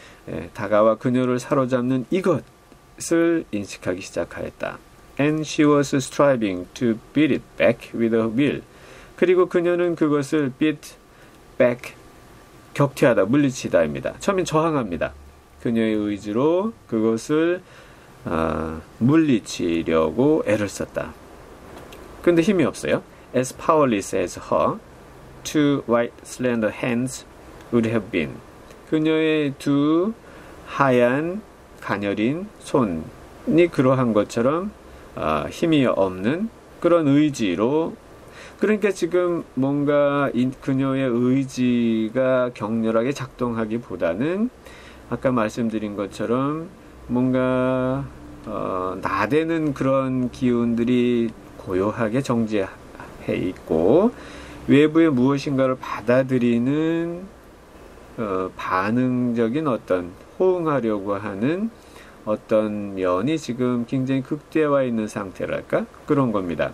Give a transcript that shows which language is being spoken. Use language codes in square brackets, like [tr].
[ko] 예, 다가와 그녀를 사로잡는 이것을 인식하기 시작하였다. [en] And she was striving to beat it back with her will. [ko] 그리고 그녀는 그것을 [en] beat back, [ko] 격퇴하다, 물리치다입니다. 처음엔 저항합니다. 그녀의 의지로 그것을 물리치려고 애를 썼다. 근데 힘이 없어요. [en] As powerless as her, two white slender hands would have been. [ko] 그녀의 두 하얀 가녀린 손이 그러한 것처럼 힘이 없는 그런 의지로. 그러니까 지금 뭔가 그녀의 의지가 격렬하게 작동하기보다는 아까 말씀드린 것처럼 뭔가 나대는 그런 기운들이 고요하게 정지해 있고 외부의 무엇인가를 받아들이는 반응적인 어떤 호응하려고 하는 어떤 면이 지금 굉장히 극대화 있는 상태랄까? 그런 겁니다.